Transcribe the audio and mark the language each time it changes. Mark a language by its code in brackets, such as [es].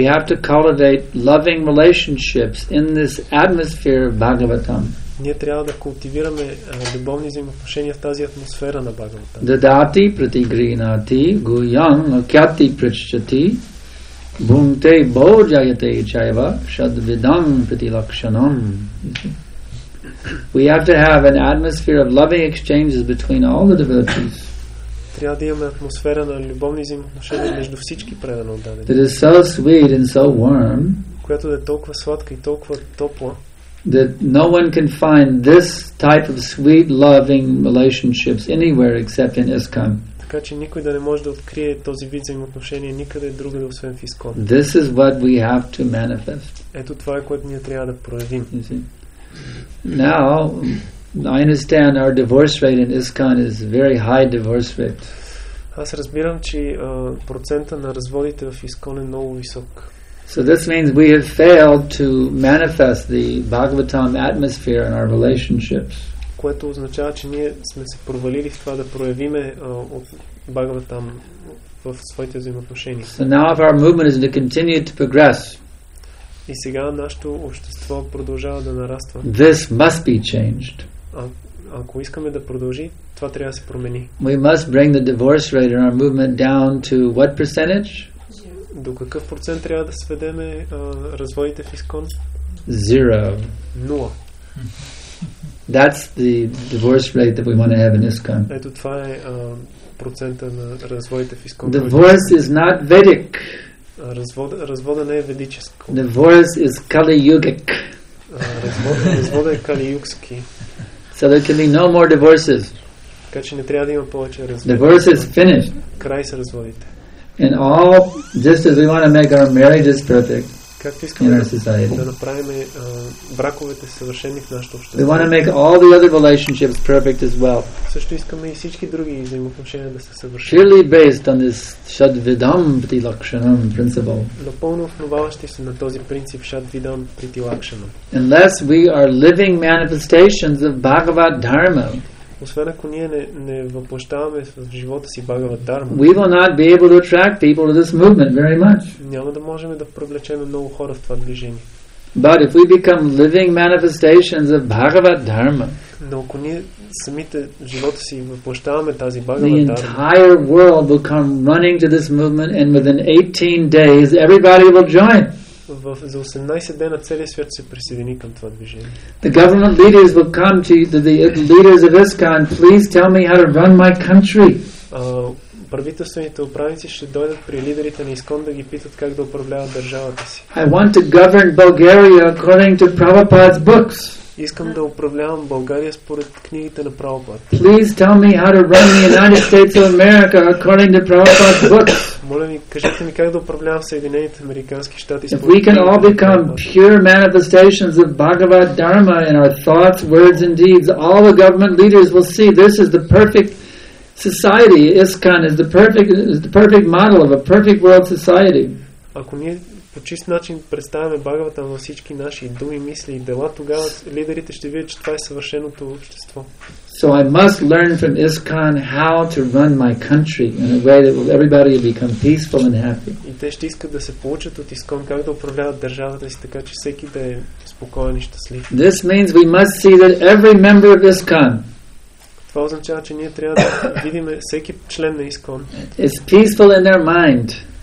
[en] We have to cultivate loving relationships in this atmosphere of Bhagavatam. [bg] Ние трябва да култивираме любовни взаимоотношения в тази атмосфера на Бхагаватам. [sa] Дадати пратигринати гуян лакяти пречати бунте боджаяте чайва шадвидам притилакшанам. [en] We have to have an atmosphere of loving exchanges between all the devotees. [bg] Трябва да имаме атмосфера на любовни взаимоотношения между всички предано отдадени. [en] That is so sweet and so warm. [bg] Която да е толкова сладка и толкова топла. [en] That no one can find this type of sweet loving relationships anywhere except in ISKCON. [bg] Така че никой да не може да открие този вид взаимоотношения никъде другаде освен в ISKCON. [en] This is what we have to manifest. [bg] Ето това е което ние трябва да проявим. [en] Now, I understand our divorce rate in ISKCON is very high divorce rate. [bg] Аз разбирам, че процента на разводите в ISKCON е много висок. [en] So this means we have failed to manifest the Bhagavatam atmosphere in our relationships. [bg] Което означава, че ние сме се провалили в това да проявим от Бхагаватам в своите взаимоотношения. [en] So now if our movement is to continue to progress. [bg] И сега нашето общество продължава да нараства. [en] This must be changed. [bg] Ако искаме да продължи, това трябва да се промени. [en] We must bring the divorce rate in our movement down to what percentage? [bg] До какъв процент трябва да сведеме разводите в ISKCON? [en] Zero. [bg] Нула. [en] That's the divorce rate that we want to have in ISKCON. [bg] Ето това е процента на разводите в ISKCON. [en] Divorce is not Vedic. [bg] Развода не е ведическо. [en] Divorce is Kali Yugic. [bg] Развода е Kali Yugski. [en] So there can be no more divorces. [bg] Така че не трябва да има повече разводи. [en] Divorce is finished. [bg] Край са разводите. [en] And all, just as we want to make our marriages perfect. [bg] Както искаме да направим браковете съвършени в нашето общество. [en] We want to make all the other relationships perfect as well. [bg] Също искаме и всички други взаимоотношения да са съвършени. [en] Surely based on this Shadvidam Pritilakshanam principle. [bg] Напълно основаващи се на този принцип Shadvidam Pritilakshanam. [en] Unless we are living manifestations of Bhagavad Dharma. [bg] Освен ако ние не въплащаваме в живота си Бхагават Дарма, [en] we will not be able to attract people to this movement very much. [bg] Няма да можем да привлечем много хора в това движение. [en] But if we become living manifestations of Бхагават Дарма, [bg] но ако ние самите живота си въплащаваме тази [en] Бхагават Дарма, the entire world will come running to this movement, and within 18 days everybody will join. [bg] За 18 дена целият свят се присъедини към това движение. [en] The government leaders will come to you, the leaders of ISKCON, please tell me how to run my country. [bg] Правителствените управници ще дойдат при лидерите на ИСКОН да ги питат как да управляват държавата си. [en] I want to govern Bulgaria according to Prabhupada's books. [bg] Искам да управлявам България според книгите на Прабхупад. [en] Please tell me how to run the United States of America according to Prabhupada's books. [bg] Моля ви, кажете ми как да управлявам Съединените американски щати според. [en] If we can all become pure manifestations of Bhagavad Dharma in our thoughts, words and deeds, all the government leaders will see this is the perfect society. ISKCON is the perfect model of a perfect world society. [bg] Ако ние по чист начин представяме Бхагавата във всички наши думи, мисли и дела, тогава лидерите ще видят, че това е съвършеното общество. [en] So I must learn from ISKCON how to run my country in a way that everybody will become peaceful and happy. [bg] И те ще искат да се получат от ИСКОН как да управляват държавата си така, че всеки да е спокоен и щастлив. [en] This means we must see that every member of ISKCON, [bg] това означава, че ние трябва да видим всеки член на ИСКОН, [en] is peaceful in their mind,